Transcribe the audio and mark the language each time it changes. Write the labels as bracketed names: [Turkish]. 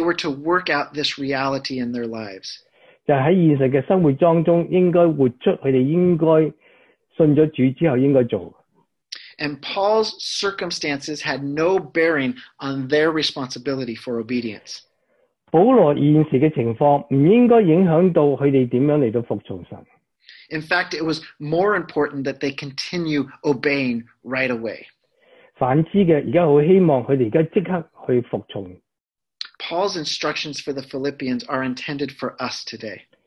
[English] were to work out this reality in their lives. [Chinese] 就在现实的生活当中，应该活出他们应该信了主之后应该做的。 [English] And Paul's circumstances had no bearing on their responsibility for obedience. [Chinese] 保罗现时的情况不应该影响到他们怎样来到服从神。In [English] fact, it was more important that they continue obeying right away. [Chinese] 反之的，现在我希望他们现在即刻去服从。Paul's [English] instructions for the Philippians are intended for us today.